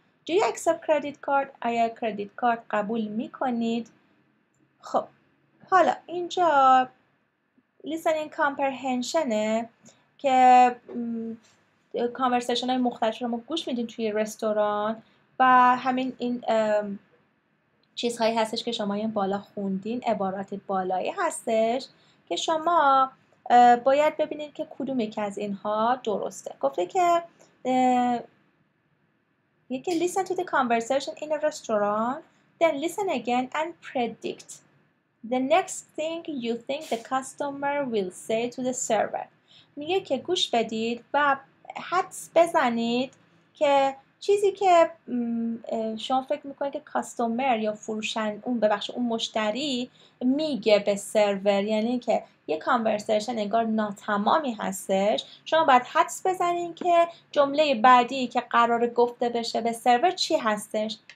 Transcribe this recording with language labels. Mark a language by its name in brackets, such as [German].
[English] Do you accept credit card؟ [Persian] آیا credit card قبول میکنید؟ خب حالا اینجا listening comprehensionه که conversation های مختلف رو ما گوش میدیم توی رستوران و همین این چیزهایی هستش که شما این بالا خوندین، عبارات بالایی هستش که شما باید ببینید که کدوم یکی از اینها درسته. گفته که یکی [English] listen to the conversation in a restaurant then listen again and predict the next thing you think the customer will say to the server. [Persian] میگه که گوش بدید و حدس بزنید که چیزی که شما فکر میکنید که کاستومر یا فروشن اون ببخش اون مشتری میگه به سرور، یعنی که یه کانورسیشن انگار ناتمامی هستش، شما باید حدس بزنید که جمله بعدی که قرار گفته بشه به سرور چی هستش.